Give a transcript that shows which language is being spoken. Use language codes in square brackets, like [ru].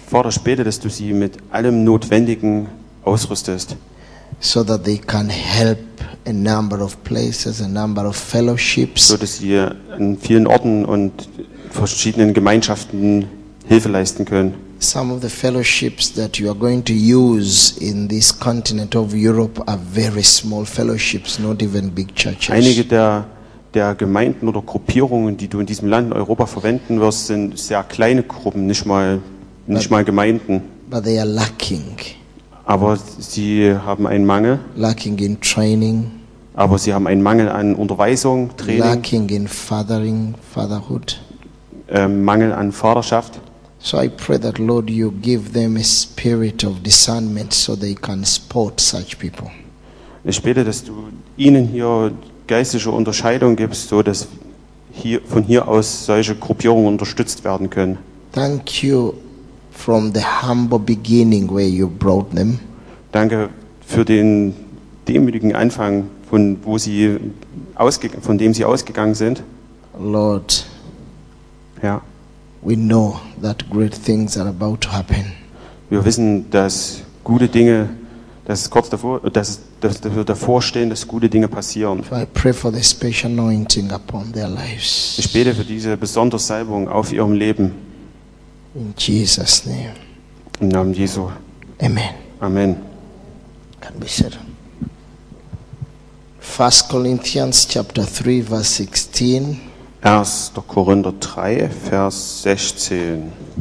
[de] Vater, ich bete, dass du sie mit allem Notwendigen ausrüstest. [en] So that they can help a number of places, a number of fellowships. [de] So dass sie an vielen Orten und verschiedenen Gemeinschaften Hilfe leisten können. [en] Some of the fellowships that you are going to use in this continent of Europe are very small fellowships, not even big churches. [de] Einige der Gemeinden oder Gruppierungen, die du in diesem Land in Europa verwenden wirst, sind sehr kleine Gruppen, nicht mal Gemeinden. [en] But they are lacking. [de] Aber sie haben einen Mangel. [en] Lacking in training. [de] Aber sie haben einen Mangel an Unterweisung, Training. [en] Lacking in fathering, fatherhood. [de] Mangel an Vaterschaft. [en] So I pray that Lord, you give them a spirit of discernment, so they can support such people. [de] Ich bete, dass du ihnen hier geistliche Unterscheidung gibst, so dass hier von hier aus solche Gruppierungen unterstützt werden können. [en] Thank you. From the humble beginning where you brought them. [de] Danke für den demütigen Anfang, von dem sie ausgegangen sind. [en] Lord. [de] Ja. [en] We know that great things are about to happen. [de] Wir wissen, dass gute Dinge, dass wir davor stehen, dass gute Dinge passieren. [en] I pray for the special anointing upon their lives. [de] Ich bete für diese besondere Salbung auf ihrem Leben. [en] In Jesus' name. [de] Im Namen Jesu. [en] Amen. [de] Amen. [en] Can be said. 1 Corinthians chapter 3, verse 16. [de] 1. Korinther 3, Vers 16.